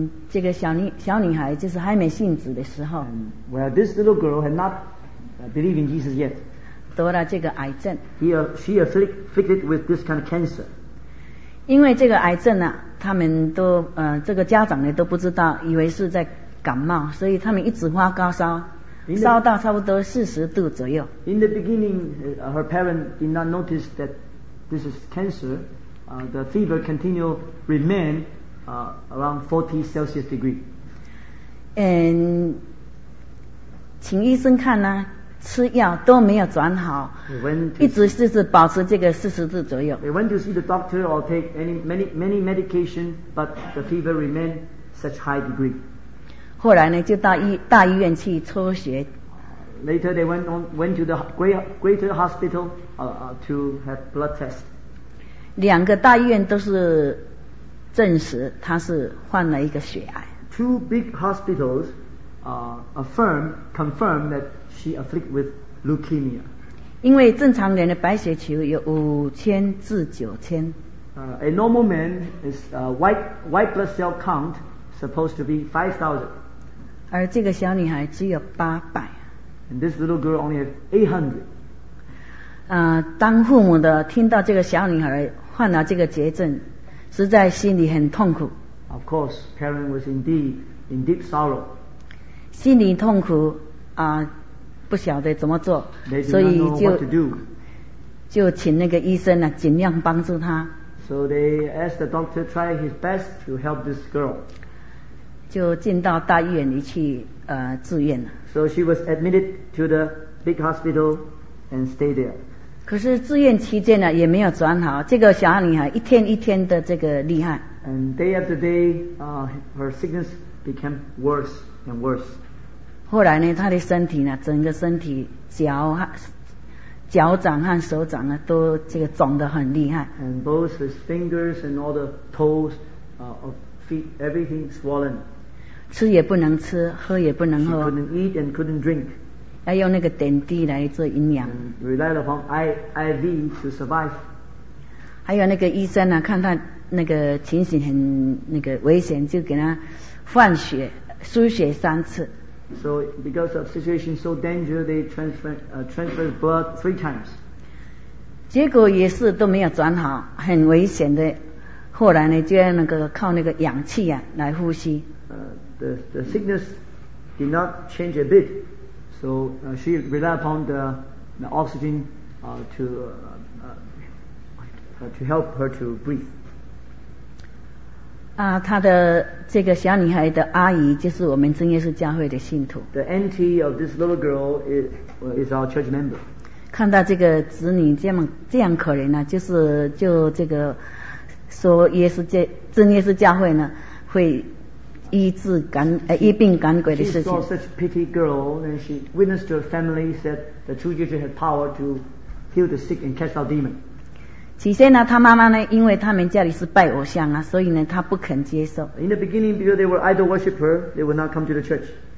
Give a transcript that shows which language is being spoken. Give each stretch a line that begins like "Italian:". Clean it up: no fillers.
Chinese: 这个小女孩就是还没信主的时候
English: Well, this little girl had not believed in Jesus yet.
Chinese: 得了这个癌症
English: She afflicted with this kind of cancer.
Chinese: 因为这个癌症啊他们都这个家长呢都不知道以为是在感冒所以他们一直发高烧烧到差不多40度左右
English: In the beginning, her parents did not notice that this is cancer. The fever continued remain around 40 Celsius degree.
Chinese: 请医生看呢，吃药都没有转好，
English: see,
Chinese: 一直就是保持这个40度左右。
English: They went to see the doctor or take many medication, but the fever remained such high degree.
Chinese: 后来呢，就到大医院去抽血。
English: Later they went to the greater hospital to have blood test.
Chinese: 两个大医院都是证实他是患了一个血癌。
English: Two big hospitals confirm that she afflicted with leukemia.
Chinese: 因为正常人的白血球有5000至9000。
English: A normal man is white blood cell count supposed to be 5000。
Chinese: 而这个小女孩只有800
English: And this little girl only has 800
Chinese: 当父母的听到这个小女孩患了这个绝症实在心里很痛苦
English: Of course, parents was indeed in deep sorrow
Chinese: 心里痛苦不晓得怎么做
English: They did not know what to do
Chinese: 就请那个医生尽量帮助她
English: So they asked the doctor to try his best to help this girl
Chinese: 就进到大医院里去住院了
English: So she was admitted to the big hospital and stayed there
Chinese: 可是住院期间呢也没有转好这个小女孩一天一天的这个厉害
English: And day after day her sickness became worse and worse
Chinese: 后来呢她的身体呢整个身体脚掌和手掌呢都这个肿得很厉害
English: And both his fingers and all the toes of feet everything swollen
Chinese: 吃也不能吃喝也不能喝
English: She couldn't eat and couldn't drink
Chinese: 要用那个点滴来做营养
English: Relied upon IV to survive
Chinese: 还有那个医生呢看他那个情形很那个危险就给他换血输血三次
English: So because of situation so dangerous they transferred blood 3 times
Chinese: 结果也是都没有转好很危险的后来呢就要那个靠那个氧气啊来呼吸
English: The sickness did not change a bit, so she relied upon the oxygen to help her to breathe.
Chinese: 她的这个小女孩的阿姨就是我们真耶稣教会的信徒。
English: The auntie of this little girl is our church member.
Chinese: 看到这个子女这样可怜呢，就这个说真耶稣教会呢会。医病赶鬼的事情
English: She saw such a pretty girl and she witnessed to her family said the true Jesus had power to heal the sick and cast out demons
Chinese: 起先呢她妈妈呢因为他们家里是拜偶像啊所以呢她不肯接受
English: In the beginning because they were idol worshipper they would not come to the church